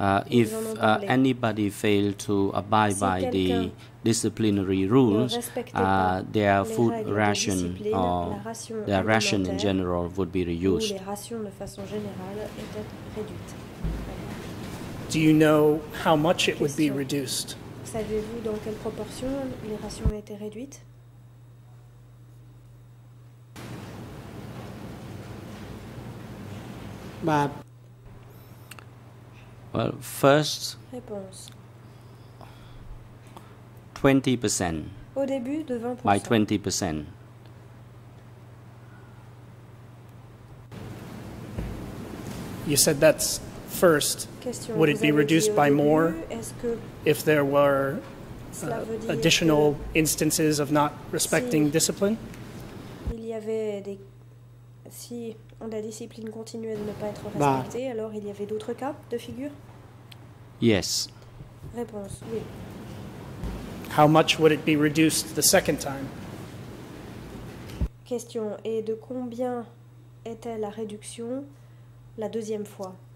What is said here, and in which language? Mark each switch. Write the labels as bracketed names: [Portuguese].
[English] If anybody failed to abide by the disciplinary rules, their food ration or their ration in general would be reduced. [French] Les rations de façon générale étaient réduites. [English] Do you know how much it would be reduced? [French] Savez-vous dans quelle proportion les rations ont été réduites? [English] Well, first, 20%. [French] Au début, de 20%. [English] By 20%. You said that's first. [French] Question. [English] Would it be reduced by [French] début, [English] more if there were additional instances of not respecting [French] si [English] discipline? [French] Il y avait des, si la discipline continuait de ne pas être respectée, bah, alors il y avait d'autres cas de figure? [English] Yes. [French] Réponse, oui. [English] How much would it be reduced the second time? [French] Question. Et de combien était la réduction la deuxième fois?